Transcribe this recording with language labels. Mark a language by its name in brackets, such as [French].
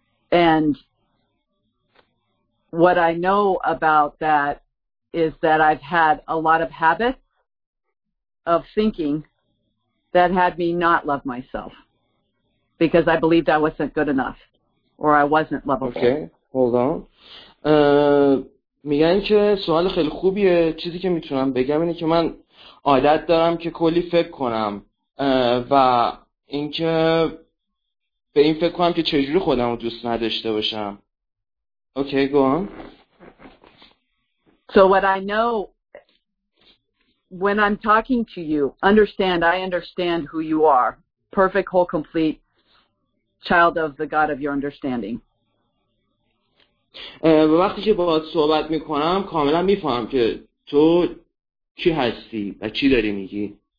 [English] And what I know about that is that I've had a lot of habits of thinking that had me not love myself because I believed I wasn't good enough or I wasn't lovable. Okay, hold on. [Persian] میگن که سوال خیلی خوبیه. چیزی که میتونم بگم اینه که من عادت دارم که کلی فکر کنم و اینکه به این فکر کنم که چجوری خودم رو دوست نداشته باشم. [English] Okay, go on. So what I know, when I'm talking to you, understand, I understand who you are. Perfect, whole, complete, child of the God of your understanding. [Persian] وقتی که باهات صحبت میکنم کاملا میفهمم که تو چی هستی و چی داری میگی.